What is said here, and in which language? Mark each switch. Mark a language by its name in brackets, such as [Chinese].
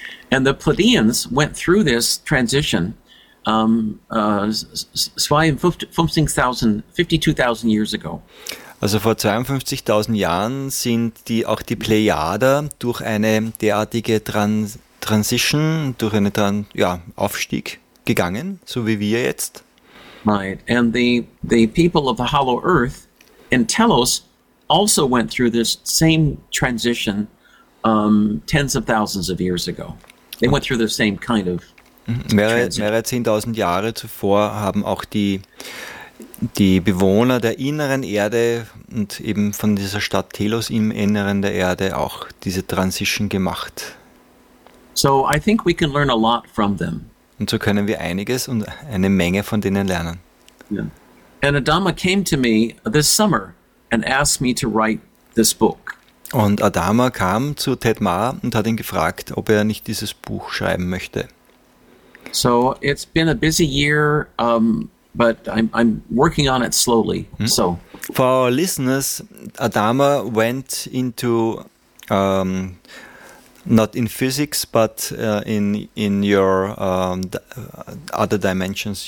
[English] And the Pleiadians went through this transition 52,000 years ago. [German] Also vor 52,000 Jahren sind die Plejader durch eine derartige Transition, durch einen Aufstieg gegangen, so wie wir jetzt. [English] Right, and the people of the Hollow Earth in Telos also went through this same transition tens of thousands of years ago. They went through the same kind of [German] Mehrere 10.000 Jahre zuvor haben auch die Bewohner der inneren Erde und eben von dieser Stadt Telos im Inneren der Erde auch diese Transition gemacht. [English] So I think we can learn a lot from them. [German] Und so können wir einiges und eine Menge von denen lernen. [English] Yeah. And Adama came to me this summer and asked me to write this book. [German] Und Adama kam zu Ted Ma und hat ihn gefragt, ob er nicht dieses Buch schreiben möchte. [English] So it's been a busy year, but I'm working on it slowly. Hmm. So for our listeners, Adama went into not in physics, but in your other dimensions.